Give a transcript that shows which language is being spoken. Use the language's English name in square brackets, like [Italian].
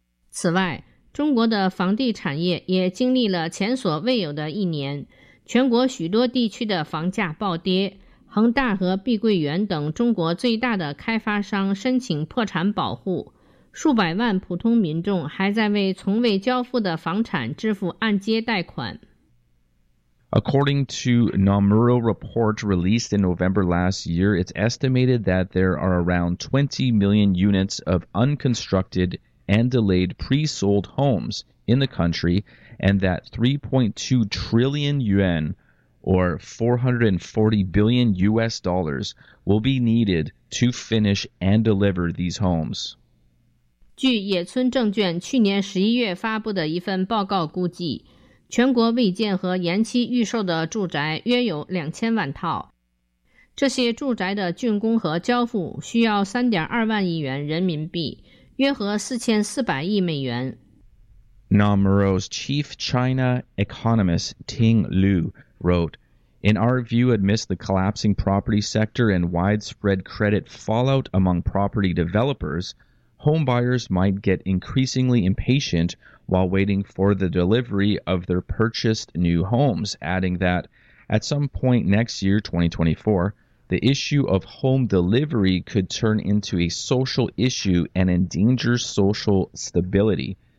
[Chinese] 此外，中国的房地产业也经历了前所未有的一年。全国许多地区的房价暴跌，恒大和碧桂园等中国最大的开发商申请破产保护，数百万普通民众还在为从未交付的房产支付按揭贷款。 [English] According to Nomura report released in November last year, it's estimated that there are around 20 million units of unconstructed and delayed pre-sold homes in the country, and that 3.2 trillion yuan, or 440 billion US dollars, will be needed to finish and deliver these homes. [Chinese] 据野村证券去年11月发布的一份报告估计，全国未建和延期预售的住宅约有2000万套。这些住宅的竣工和交付需要3.2万亿元人民币，约合4400亿美元。 [English] Nomura's chief China economist Ting Liu wrote, In our view, amidst the collapsing property sector and widespread credit fallout among property developers, home buyers might get increasingly impatient while waiting for the delivery of their purchased new homes, adding that at some point next year, 2024, the issue of home delivery could turn into a social issue and endanger social stability.